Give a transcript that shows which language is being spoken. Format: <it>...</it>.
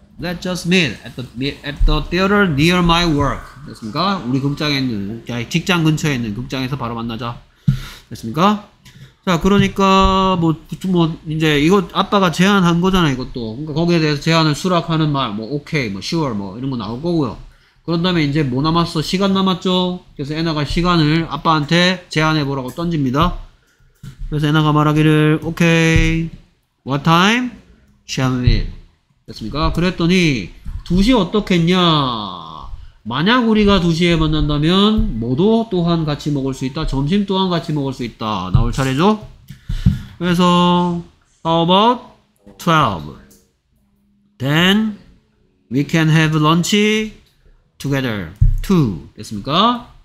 <en>Let's just meet at the theater near my work.</en> <ko>됐습니까? 우리 극장에 있는, 직장 근처에 있는 극장에서 바로 만나자. 됐습니까? 자, 그러니까, 뭐, 이제, 이거 아빠가 제안한 거잖아, 이것도. 그러니까 거기에 대해서 제안을 수락하는 말, 뭐, okay, 뭐, sure, 뭐, 이런 거 나올 거고요. 그런 다음에 이제 뭐 남았어? 시간 남았죠? 그래서 애나가 시간을 아빠한테 제안해 보라고 던집니다. 그래서 애나가 말하기를 오케이</ko> <en>What time? Shall we?</en> <ko>됐습니까? 그랬더니 2시 어떻겠냐? 만약 우리가 2시에 만난다면 뭐도 또한 같이 먹을 수 있다 점심 또한 같이 먹을 수 있다 나올 차례죠? 그래서</ko> <en>How about 12? Then we can have lunch together too</en> <ko>됐습니까?</ko>